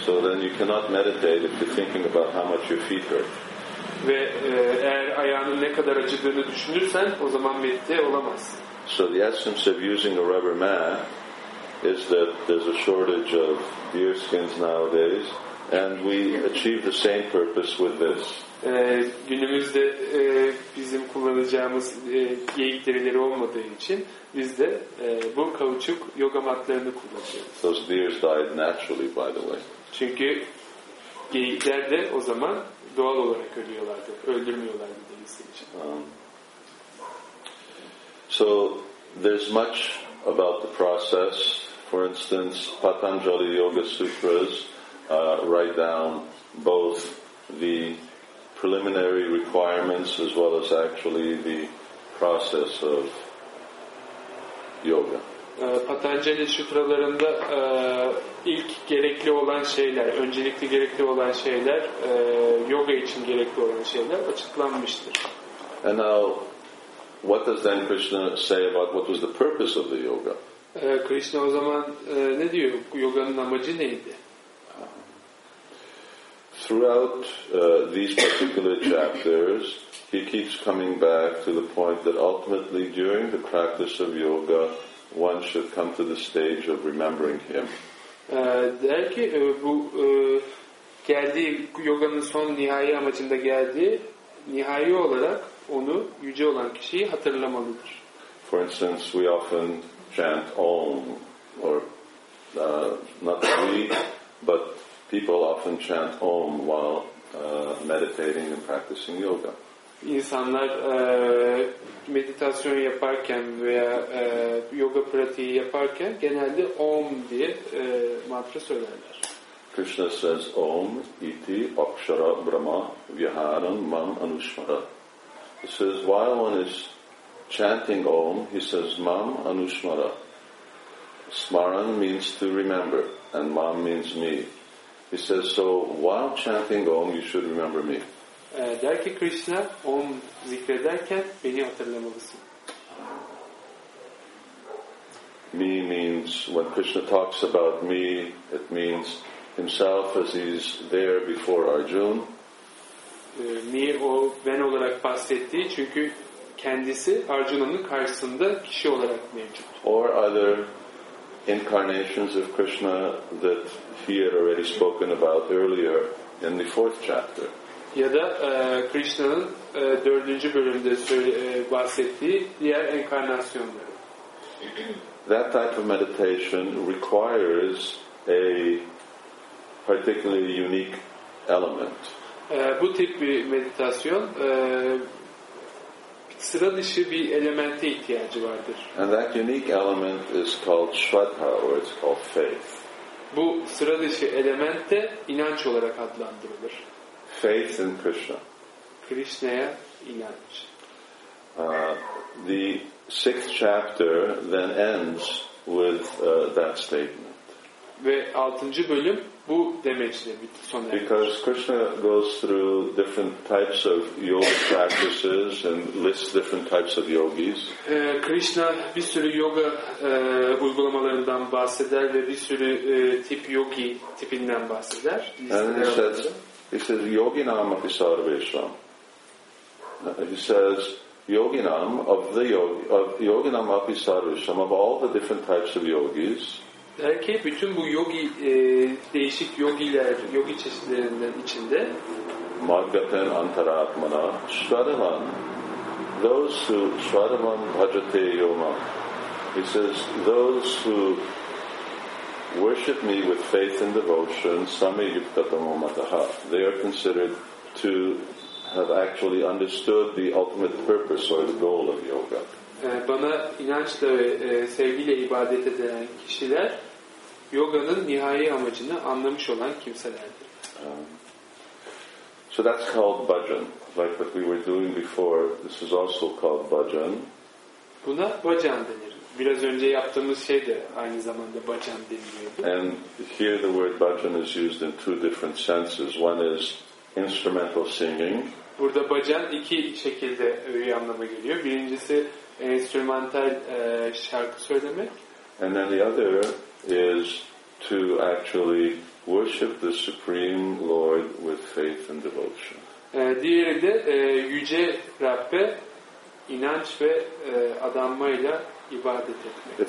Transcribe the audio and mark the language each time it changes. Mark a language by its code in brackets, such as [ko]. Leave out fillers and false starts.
[en] So then you cannot meditate if you're thinking about how much your feet hurt. [tr] Ve eğer ayağının ne kadar acıdığını düşünürsen, o zaman medite olamaz. [en] So the essence of using a rubber mat is that there's a shortage of deer skins nowadays, and we achieve the same purpose with this. [tr] Günümüzde bizim kullanacağımız geyik derileri olmadığı için biz de bu kauçuk yoga matlarını kullanıyoruz. [en] Those deers died naturally, by the way. [tr] Çünkü geyikler de o zaman doğal olarak ölüyorlardı. Öldürmüyorlardı deniz için. [en] So there's much about the process. For instance, Patanjali Yoga Sutras write down both the preliminary requirements as well as actually the process of yoga. [tr] Patanjali sutralarında ilk gerekli olan şeyler, öncelikli gerekli olan şeyler, yoga için gerekli olan şeyler açıklanmıştır. [en] And now what does then Krishna say about what was the purpose of the yoga? [tr] Krishna o zaman ne diyor? Yoganın amacı neydi? [en] Throughout these particular chapters, he keeps coming back to the point that ultimately during the practice of yoga, one should come to the stage of remembering him. [tr] Der ki bu geldiği yoganın son nihai amacında geldiği nihai olarak onu yüce olan kişiyi hatırlamalıdır. [en] For instance, we often chant Om, or not we, but people often chant Om while meditating and practicing yoga. [tr] İnsanlar meditasyon yaparken veya yoga pratiği yaparken genelde Om diye mantra söylerler. [en] Krishna says [sa] Om iti akshara brahma viharam mam anusmara. [en] He says while one is chanting Om, he says [sa] mam anusmara. [en] Smaran means to remember and mam means me. He says so while chanting Om you should remember me. [tr] Der ki Krishna, Om zikrederken beni hatırlamalısın. [en] Me means, when Krishna talks about me, it means himself as he's there before Arjuna. [tr] Me, o ben olarak bahsettiği çünkü kendisi Arjuna'nın karşısında kişi olarak mevcut. [en] Or other incarnations of Krishna that he had already spoken about earlier in the fourth chapter. [tr] Ya da Krishna'nın dördüncü bölümde bahsettiği diğer enkarnasyonları. [en] That type of meditation requires a particularly unique element. [tr] Bu tip bir meditasyon sıra dışı bir elemente ihtiyacı vardır. [en] And that unique element is called Shraddha, or it's called faith. [tr] Bu sıra dışı elemente inanç olarak adlandırılır. [en] Faith in Krishna. [tr] Krishna'ya inanç. [en] The sixth chapter then ends with that statement. [tr] Ve altıncı bölüm bu demeçle bitti sona. [en] Because Krishna goes through different types of yoga practices and lists different types of yogis. [tr] Krishna bir sürü yoga uygulamalarından bahseder ve bir sürü tip yogi tipinden bahseder. [en] He says, [sa] yoginam api sarvesham. [en] He says, yoginam of the yogi, yoginam api sarvesham, of all the different types of yogis. [tr] Der ki, bütün bu yogi, değişik yogiler, yogi çeşitlerinden içinde. [sa] Madgaten antaratmana, shvaraman, [en] those who [sa] shvaraman bhajate yoma. [en] He says, those who worship me with faith and devotion, [sa] samayuktatamamataha. [en] They are considered to have actually understood the ultimate purpose or the goal of yoga. [tr] Bana inançla ve sevgiyle ibadet eden kişiler, yoganın nihai amacını anlamış olan kimselerdir. [en] So that's called bhajan. Like what we were doing before, this is also called bhajan. [tr] Buna bhajan denir. Biraz önce yaptığımız şey de aynı zamanda bhajan deniliyordu. [en] And here the word bhajan is used in two different senses. One is instrumental singing. [tr] Burada bhajan iki şekilde öğe anlama geliyor. Birincisi enstrümantal şarkı söylemek. [en] And then the other is to actually worship the Supreme Lord with faith and devotion. [tr] Diğeri de yüce Rabb'e inanç ve adanmayla ibadet etmek.